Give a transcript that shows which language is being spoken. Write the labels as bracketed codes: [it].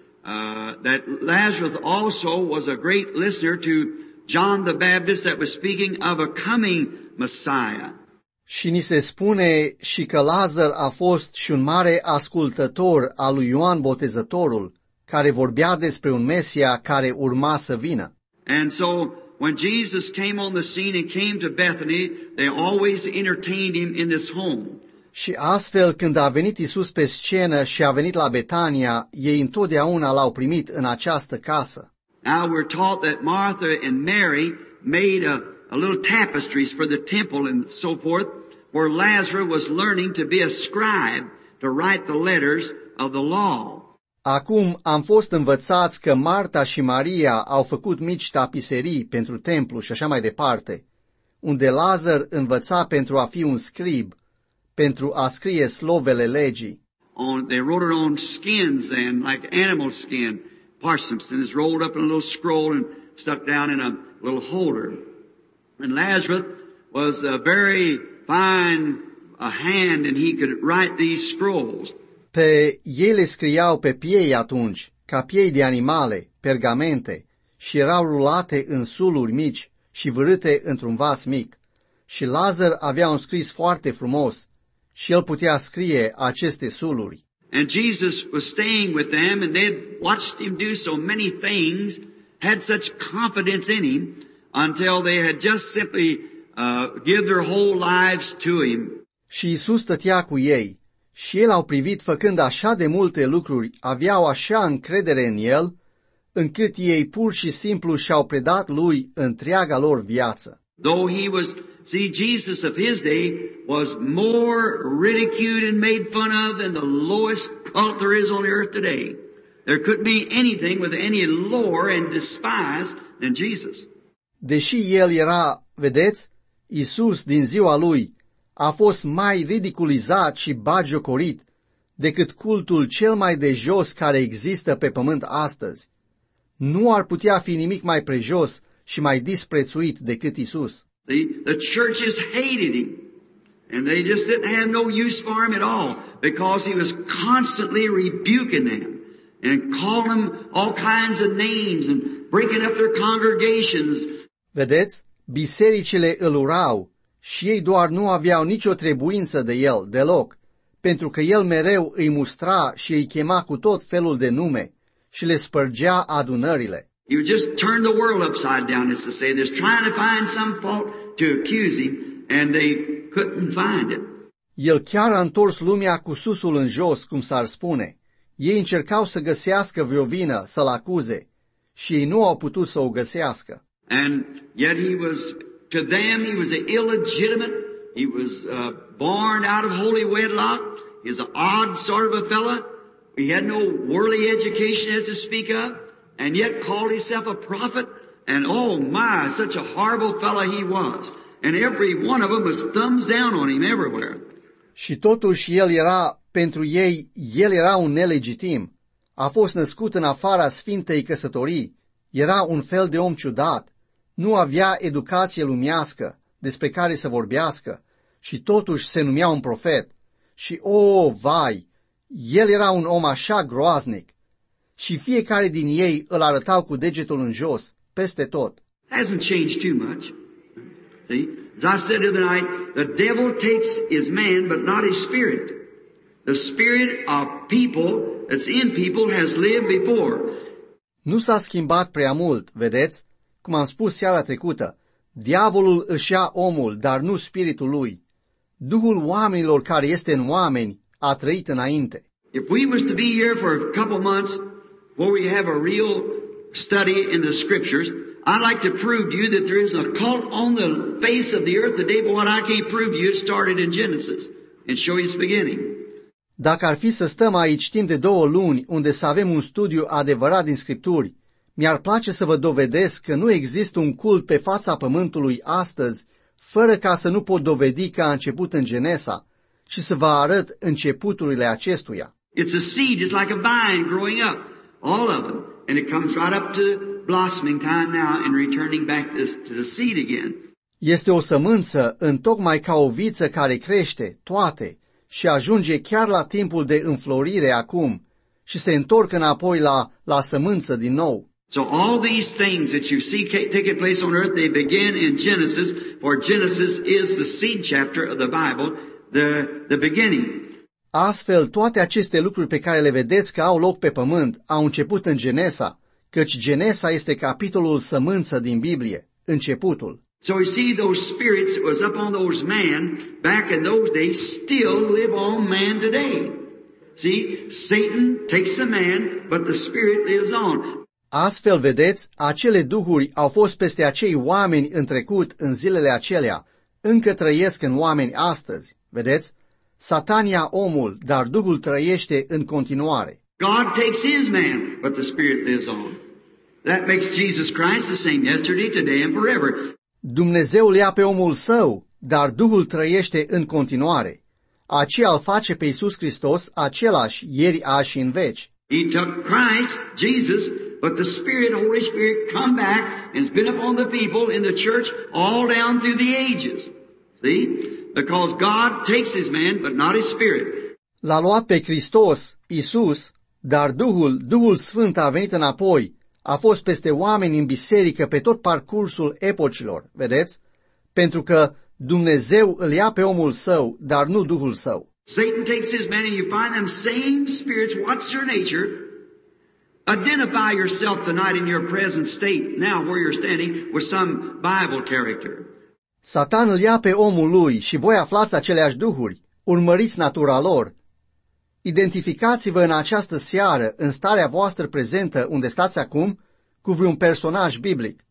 [en] that Lazarus also was a great listener to John the Baptist that was speaking of a coming Messiah. [ro] Și ni se spune și că Lazar a fost și un mare ascultător al lui Ioan Botezătorul, care vorbea despre un Mesia care urma să vină. [en] And so when Jesus came on the scene and came to Bethany, they always entertained him in this home. [ro] Și astfel, când a venit Iisus pe scenă și a venit la Betania, ei întotdeauna l-au primit în această casă. [en] Now we're taught that Martha and Mary made a little tapestries for the temple and so forth, where Lazarus was learning to be a scribe, to write the letters of the law. [ro] Acum am fost învățați că Marta și Maria au făcut mici tapiserii pentru templu și așa mai departe, unde Lazar învăța pentru a fi un scrib, pentru a scrie slovele legii. [en] They wrote it on skins then, like animal skin, parchments, and it's rolled up in a little scroll and stuck down in a little holder. And Lazarus was a very fine hand, and he could write these scrolls. [ro] Pe ele scriau pe piei atunci, ca piei de animale, pergamente, și erau rulate în suluri mici și vârâte într-un vas mic. Și Lazar avea un scris foarte frumos și el putea scrie aceste suluri. [en] And Jesus was staying with them, and they had watched him do so many things, had such confidence in him, until they had just simply give their whole lives to him. [ro] Și Iisus stătea cu ei. Și ei l-au privit făcând așa de multe lucruri, aveau așa încredere în el, încât ei pur și simplu și-au predat lui întreaga lor viață. [en] Though he was, see, Jesus of his day was more ridiculed and made fun of than the lowest cult there is on the earth today. There couldn't be anything with any lower and despised than Jesus. [ro] Deși el era, vedeți, Iisus din ziua lui, a fost mai ridiculizat și bagiocorit decât cultul cel mai de jos care există pe pământ astăzi. Nu ar putea fi nimic mai prejos și mai disprețuit decât Isus. [en] The churches hated him, and they just didn't have no use for him at all, because he was constantly rebuking them and calling them all kinds of names and breaking up their congregations. [ro] Vedeți, bisericile îl urau. Și ei doar nu aveau nicio trebuință de el, deloc, pentru că el mereu îi mustra și îi chema cu tot felul de nume și le spărgea adunările. [en] He would just turn the world upside down, as to say, they're trying to find some fault to accuse him, and they couldn't find it. [ro] El chiar a întors lumea cu susul în jos, cum s-ar spune. Ei încercau să găsească vreo vină, să-l acuze, și ei nu au putut să o găsească. [en] And yet he was... To them he was illegitimate, he was born out of holy wedlock, he was an odd sort of a fella, he had no worldly education as to speak of, and yet called himself a prophet, and oh my, such a horrible fella he was, and every one of them was thumbs down on him everywhere. [ro] Și totuși el era, pentru ei, el era un nelegitim, a fost născut în afara sfintei căsătorii, era un fel de om ciudat. Nu avea educație lumească despre care să vorbească și totuși se numea un profet. Și, oh, vai, el era un om așa groaznic. Și fiecare din ei îl arătau cu degetul în jos, peste tot. [en] Hasn't changed too much. See? As I said the other night, the devil takes his man, but not his spirit. The spirit of people that's in people has lived before. [ro] Nu s-a schimbat prea mult, vedeți? Cum am spus seara trecută, diavolul își ia omul, dar nu spiritul lui. Duhul oamenilor care este în oameni a trăit înainte. [en] If we was to be here for a couple months where we have a real study in the scriptures, I'd like to prove to you that there is a cult on the face of the earth today, but what I can't prove to you started in Genesis and show its beginning. [ro] Dacă ar fi să stăm aici timp de două luni unde să avem un studiu adevărat din scripturi, mi-ar place să vă dovedesc că nu există un cult pe fața pământului astăzi fără ca să nu pot dovedi că a început în Genesa și să vă arăt începuturile acestuia. [en] It's a seed, it's like a vine growing up, all of them, and it comes right up to blossoming time now and returning back to the seed again. [ro] Este o sămânță, întocmai ca o viță care crește, toate, și ajunge chiar la timpul de înflorire acum, și se întorc înapoi la sămânță din nou. [en] So all these things that you see taking place on earth, they begin in Genesis, for Genesis is the seed chapter of the Bible, the beginning. [ro] Astfel, toate aceste lucruri pe care le vedeți că au loc pe pământ au început în Genesa, căci Genesa este capitolul sămânță din Biblie, începutul. [en] So you see those spirits that was up on those men back in those days still live on man today. See, Satan takes a man, but the spirit lives on. [ro] Astfel, vedeți, acele duhuri au fost peste acei oameni în trecut, în zilele acelea. Încă trăiesc în oameni astăzi. Vedeți? Satan ia omul, dar Duhul trăiește în continuare. [en] God takes his man, but the spirit lives on. That makes Jesus Christ the same yesterday, today and forever. [ro] Dumnezeu ia pe omul său, dar Duhul trăiește în continuare. Aceea îl face pe Iisus Hristos același ieri, azi și în veci. [en] He took Christ, Jesus, but the Spirit, Holy Spirit, come back and has been upon the people in the church all down through the ages. See? Because God takes his man, but not his spirit. [ro] L-a luat pe Hristos, Iisus, dar Duhul Sfânt a venit înapoi. A fost peste oameni în biserică pe tot parcursul epocilor, vedeți? Pentru că Dumnezeu îl ia pe omul său, dar nu Duhul său. [en] Satan takes his man and you find them same spirits. What's your nature? Identify yourself tonight in your present state, now where you're standing, with some Bible character. [ro] Satan îl ia pe omul lui și voi aflați aceleași duhuri. Urmăriți natura lor. Identificați-vă în această seară, în starea voastră prezentă, unde stați acum, cu vreun personaj biblic.